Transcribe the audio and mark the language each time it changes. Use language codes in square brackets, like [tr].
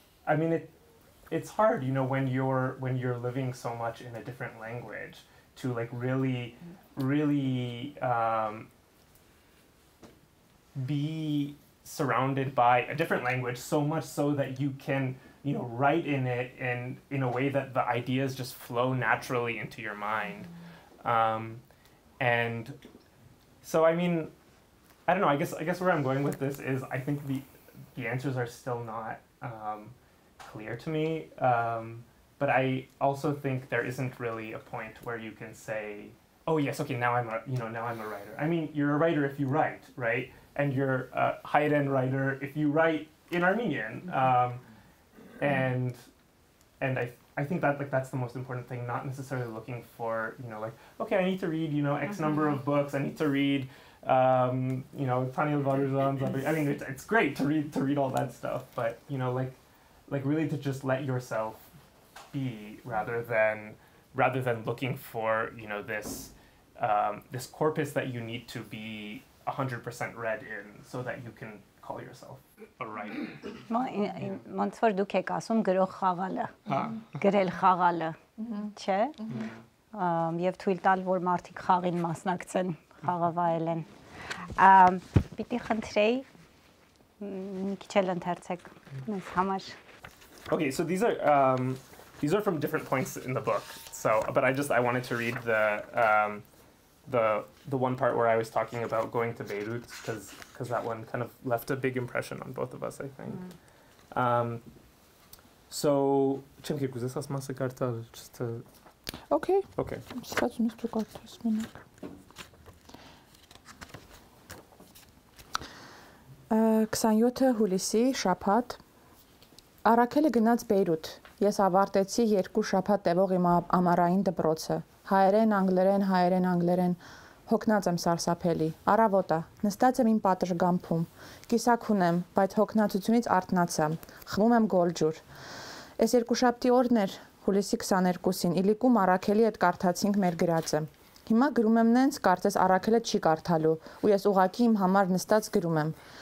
[en] I mean it's hard, you know, when you're living so much in a different language to like really really be surrounded by a different language so much so that you can, you know, write in it and in a way that the ideas just flow naturally into your mind. And so I mean I don't know, I guess where I'm going with this is I think the answers are still not clear to me, but I also think there isn't really a point where you can say, oh yes, okay, now I'm a writer. I mean, you're a writer if you write, right? And you're a high-end writer if you write in Armenian. And I think that like that's the most important thing, not necessarily looking for, you know, like, okay, I need to read, you know, X number of books, I need to read you know, Tanya Vodarzan's. I mean it's great to read all that stuff, but you know, like really to just let yourself be rather than looking for, you know, this this corpus that you need to be 100% read in so that you can call yourself a writer. [hy] Ոնց որ դուք եք ասում գրող խաղալը։ Հա։ Գրել խաղալը։ Չէ՞։ Եվ թույլ տալ, որ մարդիկ խաղին մասնակցեն, խաղավայելեն։ Պիտի խնդրեի մի քիչ էլ ընթերցեք մեզ համար։ [en] Okay, so these are from different points in the book. So, but I wanted to read the one part where I was talking about going to Beirut because that one kind of left a big impression on both of us, I think. [hy] So, չեմ գիտի ես ասում եմ կարտա [en] just to Okay. [hy] Սկսած մի քիչ մենակ. Քսանյոթը հուլիսի շաբաթ Արաքելը գնաց Բեյրութ։ Ես ավարտեցի 2 շաբաթ տևող իմ ամառային դպրոցը։ Հայերեն, անգլերեն, հոգնած եմ սարսափելի։ Առավոտը, նստած եմ իմ պատշգամբում։ Կիսաքուն եմ, բայց հոգնածությունից արթնացա։ Խմում եմ գոլջուր։ Այս 2 շաբթի օրն էր, հուլիսի 22-ին, իլիկում Արաքելի հետ կարդացինք մեր գրածը։ Հիմա գրում եմ նենց, կարծես Արաքելը չի կարդալու, ու ես ուղակի իմ համար նստած գրում եմ։